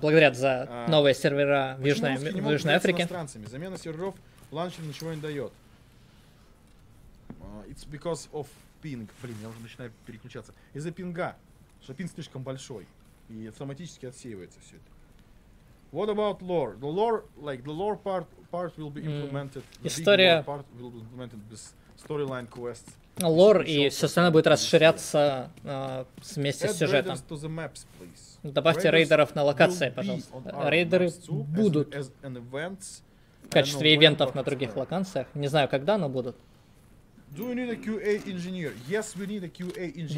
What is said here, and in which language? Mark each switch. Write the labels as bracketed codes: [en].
[ru] Благодарят за новые сервера в Южной Африке. Замена серверов ланчер ничего не дает. [en] It's because of ping. [ru] Блин, я уже начинаю переключаться. Из-за пинга, что пинг слишком большой. И автоматически отсеивается все это. [en] What about lore? The lore, like the lore part will be implemented. [ru] История. [en] The part will be implemented with storyline quests. [ru] Лор и все остальное будет расширяться вместе с сюжетом. [en] Add to the maps, please. [ru] Добавьте рейдеров на локации, пожалуйста. Рейдеры будут в качестве ивентов на других локациях. Не знаю, когда, но будут. [en] Do you need a QA engineer? Yes, we need a QA engineer.